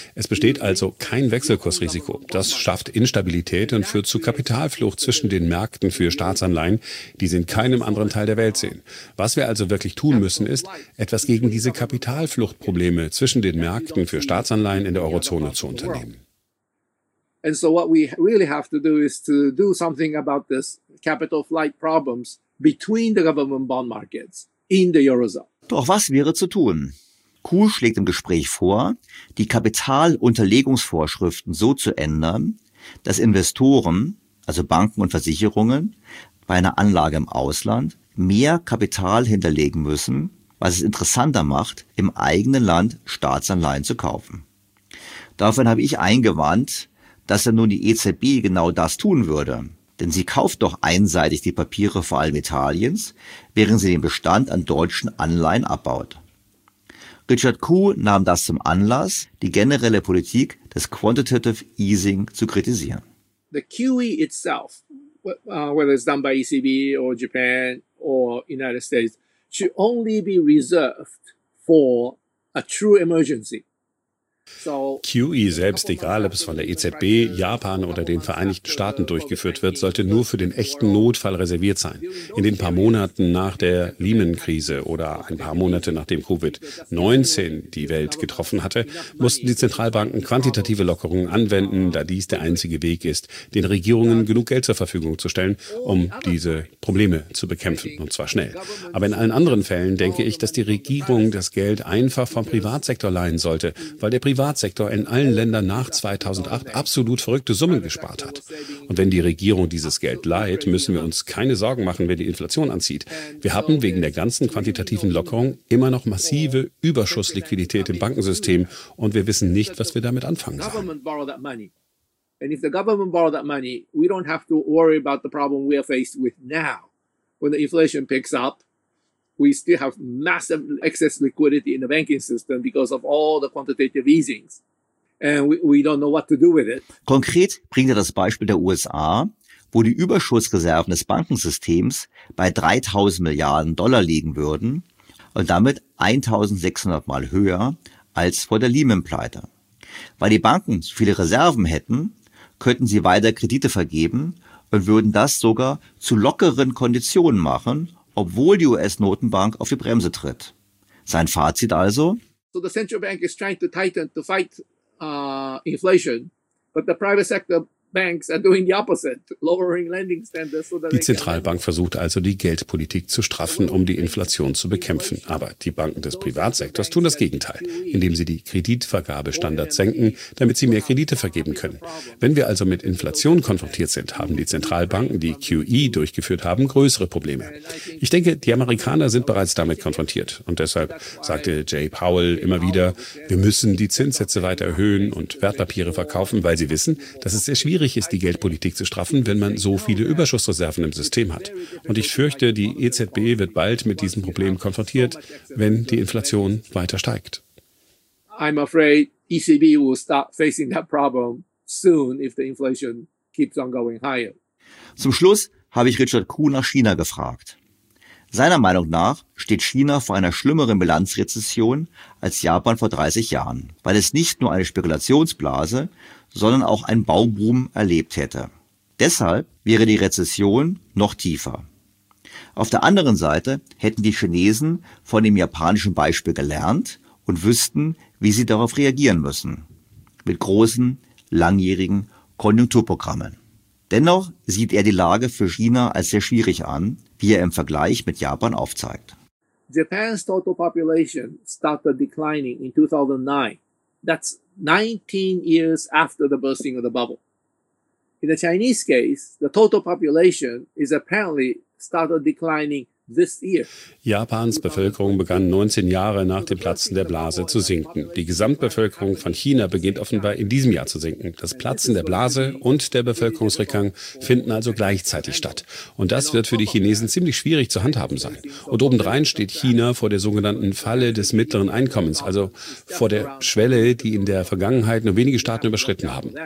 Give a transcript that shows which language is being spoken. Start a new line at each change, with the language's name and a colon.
German: Es besteht also kein Wechselkursrisiko. Das schafft Instabilität und führt zu Kapitalflucht zwischen den Märkten für Staatsanleihen, die sie in keinem anderen Teil der Welt sehen. Was wir also wirklich tun müssen, ist, etwas gegen diese Kapitalfluchtprobleme zwischen den Märkten für Staatsanleihen in der Eurozone zu unternehmen.
English: And so what we really have to do is to do something about this capital flight problems between the government bond markets in the Eurozone.
German: Doch was wäre zu tun? Kuhl schlägt im Gespräch vor, die Kapitalunterlegungsvorschriften so zu ändern, dass Investoren, also Banken und Versicherungen, bei einer Anlage im Ausland mehr Kapital hinterlegen müssen, was es interessanter macht, im eigenen Land Staatsanleihen zu kaufen. Davon habe ich eingewandt, dass er nun die EZB genau das tun würde. Denn sie kauft doch einseitig die Papiere vor allem Italiens, während sie den Bestand an deutschen Anleihen abbaut. Richard Kuh nahm das zum Anlass, die generelle Politik des Quantitative Easing zu kritisieren.
English: The QE itself, whether it's done by ECB or Japan or United States, should only be reserved for a true emergency.
German: QE selbst, egal ob es von der EZB, Japan oder den Vereinigten Staaten durchgeführt wird, sollte nur für den echten Notfall reserviert sein. In den paar Monaten nach der Lehman-Krise oder ein paar Monate nachdem Covid-19 die Welt getroffen hatte, mussten die Zentralbanken quantitative Lockerungen anwenden, da dies der einzige Weg ist, den Regierungen genug Geld zur Verfügung zu stellen, um diese Probleme zu bekämpfen, und zwar schnell. Aber in allen anderen Fällen denke ich, dass die Regierung das Geld einfach vom Privatsektor leihen sollte, weil der Privatsektor in allen Ländern nach 2008 absolut verrückte Summen gespart hat. Und wenn die Regierung dieses Geld leiht, müssen wir uns keine Sorgen machen, wenn die Inflation anzieht. Wir haben wegen der ganzen quantitativen Lockerung immer noch massive Überschussliquidität im Bankensystem und wir wissen nicht, was wir damit anfangen sollen.
English: And if the government borrow that money, we don't have to worry about the problem we are faced with now. When the inflation picks up, we still have massive excess liquidity in the banking system because of all the quantitative easings. And we don't know what to do with it.
German: Konkret bringt er das Beispiel der USA, wo die Überschussreserven des Bankensystems bei 3.000 Milliarden Dollar liegen würden und damit 1.600 Mal höher als vor der Lehman-Pleite. Weil die Banken so viele Reserven hätten, könnten sie weiter Kredite vergeben und würden das sogar zu lockeren Konditionen machen, obwohl die US-Notenbank auf die Bremse tritt. Sein Fazit also?
English: So the central bank is trying to tighten to fight inflation, but the private sector banks are doing the opposite, lowering lending standards. So
German: die Zentralbank versucht also, die Geldpolitik zu straffen, um die Inflation zu bekämpfen. Aber die Banken des Privatsektors tun das Gegenteil, indem sie die Kreditvergabestandards senken, damit sie mehr Kredite vergeben können. Wenn wir also mit Inflation konfrontiert sind, haben die Zentralbanken, die QE durchgeführt haben, größere Probleme. Ich denke, die Amerikaner sind bereits damit konfrontiert. Und deshalb sagte Jay Powell immer wieder, wir müssen die Zinssätze weiter erhöhen und Wertpapiere verkaufen, weil sie wissen, dass es sehr schwierig ist, die Geldpolitik zu straffen, wenn man so viele Überschussreserven im System hat. Und ich fürchte, die EZB wird bald mit diesem Problem konfrontiert, wenn die Inflation weiter steigt.
English: I'm afraid ECB will start facing that problem soon if the inflation keeps on going higher.
German: Zum Schluss habe ich Richard Kuh nach China gefragt. Seiner Meinung nach steht China vor einer schlimmeren Bilanzrezession als Japan vor 30 Jahren, weil es nicht nur eine Spekulationsblase, sondern auch ein Bauboom erlebt hätte. Deshalb wäre die Rezession noch tiefer. Auf der anderen Seite hätten die Chinesen von dem japanischen Beispiel gelernt und wüssten, wie sie darauf reagieren müssen. Mit großen, langjährigen Konjunkturprogrammen. Dennoch sieht er die Lage für China als sehr schwierig an, wie er im Vergleich mit Japan aufzeigt.
English: Japan's total population started declining in 2009. That's 19 years after the bursting of the bubble. In the Chinese case, the total population is apparently started declining
German: Japans Bevölkerung begann 19 Jahre nach dem Platzen der Blase zu sinken. Die Gesamtbevölkerung von China beginnt offenbar in diesem Jahr zu sinken. Das Platzen der Blase und der Bevölkerungsrückgang finden also gleichzeitig statt. Und das wird für die Chinesen ziemlich schwierig zu handhaben sein. Und obendrein steht China vor der sogenannten Falle des mittleren Einkommens, also vor der Schwelle, die in der Vergangenheit nur wenige Staaten überschritten haben.